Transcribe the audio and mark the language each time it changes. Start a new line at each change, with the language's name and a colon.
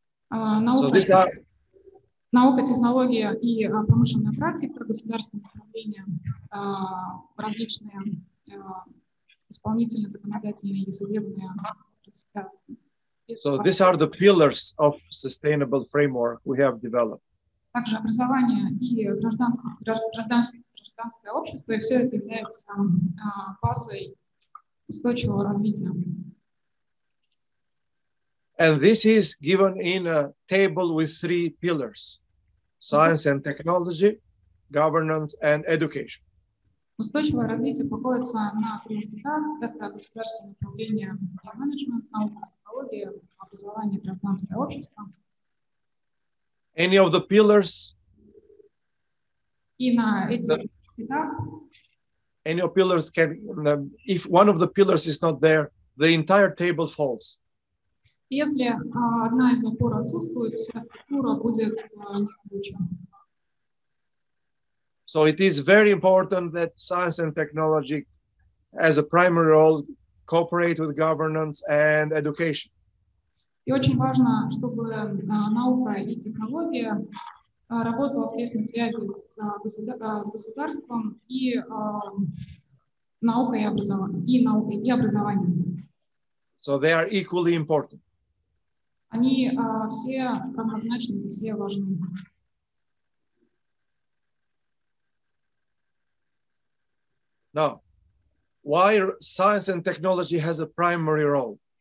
Russian: Наука, технология и промышленная практика, государственное управление, различные исполнительные, законодательные и судебные.
English: So these are the pillars of sustainable framework we have developed.
Russian: Также образование и гражданское общество, и все это является базой устойчивого развития.
English: And this is given in a table with three pillars: science and technology, governance and education.
Russian: Устойчивое развитие покоится на приоритетах, это государственное управление, менеджмент, наука, технология, образование, гражданское общество.
English: Any of the pillars?
Russian: И на этих этапах?
English: Any of pillars can, if one of the pillars is not there, the entire table falls.
Russian: Если одна из опор отсутствует, вся структура будет не включена.
English: So it is very important that science and technology as a primary role cooperate with governance and education.
Russian: И очень важно, чтобы наука и технология работала в тесной связи с государством и наукой и образованием.
English: So they are equally important.
Russian: Они все равнозначны, все важны.
English: Now, why science and technology has a primary role?